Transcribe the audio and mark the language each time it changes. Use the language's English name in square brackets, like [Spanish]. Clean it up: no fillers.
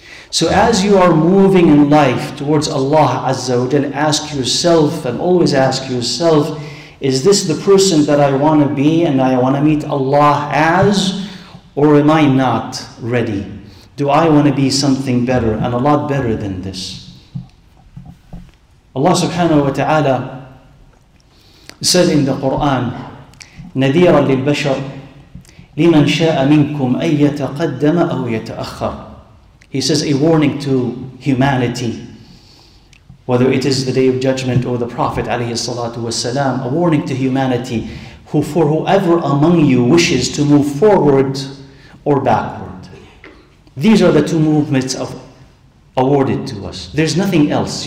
[English] So as you are moving in life towards Allah Azza wa Jal, ask yourself, and always ask yourself, is this the person that I want to be and I want to meet Allah as? Or am I not ready? Do I want to be something better and a lot better than this? Allah subhanahu wa ta'ala said in the Quran, [Arabic] نَذِيرًا لِلْبَشَرِ لِمَنْ شَاءَ مِنْكُمْ أَنْ يَتَقَدَّمَ أَوْ يَتَأَخَّرَ. [English] He says a warning to humanity, whether it is the Day of Judgment or the Prophet alayhi salatu wasalam, a warning to humanity, who for whoever among you wishes to move forward or backward. These are the two movements of awarded to us. There's nothing else.